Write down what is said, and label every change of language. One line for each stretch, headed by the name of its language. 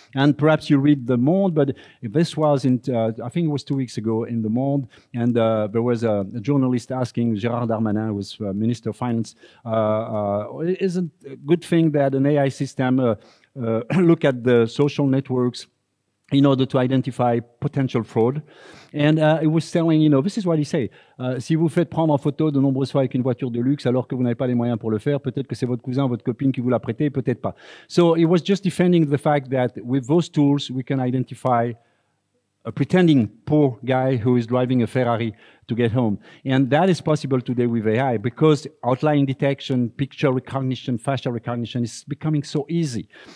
English: And perhaps you read The Monde, but this was, in, I think it was 2 weeks ago in The Monde, and there was a journalist asking Gérard Darmanin, who was Minister of Finance, isn't a good thing that an AI system look at the social networks in order to identify potential fraud? And he was telling, you know, this is what he said.
French: Si vous faites prendre en photo de nombreuses fois avec une voiture de luxe alors que vous n'avez pas les moyens pour le faire, peut-être que c'est votre cousin, votre copine qui vous l'a prêté, peut-être pas.
English: So he was just defending the fact that with those tools, we can identify a pretending poor guy who is driving a Ferrari to get home. And that is possible today with AI because outline detection, picture recognition, facial recognition is becoming so easy.